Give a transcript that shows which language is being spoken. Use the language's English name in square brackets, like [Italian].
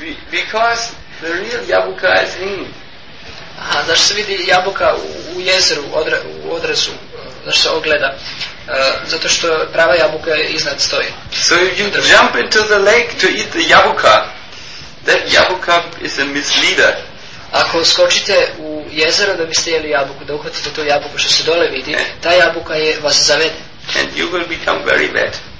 [English] Because the real jabuka is in. [Serbian] Zašto se vidi jabuka u jezeru, u odrazu, zašto se ogleda? Zato što prava jabuka iznad stoji. [English] So if you jump into the lake to eat the jabuka, that jabuka is a misleader. [Serbian] Ako skočite u jezero da biste jeli jabuku, da uhvatite tu jabuku što se dole vidi, ta jabuka je vas zavede. [English] And you will become very wet.